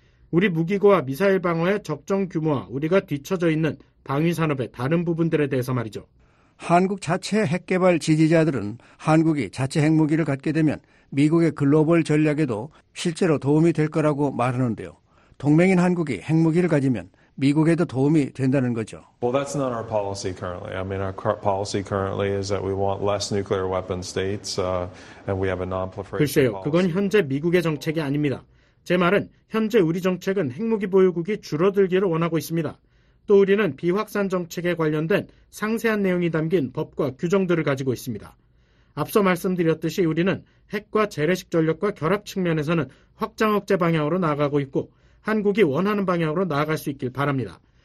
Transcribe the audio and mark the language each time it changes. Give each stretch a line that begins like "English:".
Korean: 우리 무기고와 미사일 방어의 적정 규모와 우리가 뒤처져 있는 방위산업의 다른 부분들에 대해서 말이죠. 한국 자체 핵개발 지지자들은 한국이 자체 핵무기를 갖게 되면 미국의 글로벌 전략에도 실제로 도움이 될 거라고 말하는데요. 동맹인 한국이 핵무기를 가지면 미국에도 도움이 된다는 거죠.
English: Well, that's not our policy currently. I mean, our policy currently is that we want less nuclear weapon states, and we have a non-proliferation.
Korean: 글쎄요, 그건 현재 미국의 정책이 아닙니다. 제 말은 현재 우리 정책은 핵무기 보유국이 줄어들기를 원하고 있습니다. 또 우리는 비확산 정책에 관련된 상세한 내용이 담긴 법과 규정들을 가지고 있습니다. 앞서 말씀드렸듯이 우리는 핵과 재래식 전력과 결합 측면에서는 확장 억제 방향으로 나아가고 있고 한국이 원하는 방향으로 나아갈 수 있길 바랍니다.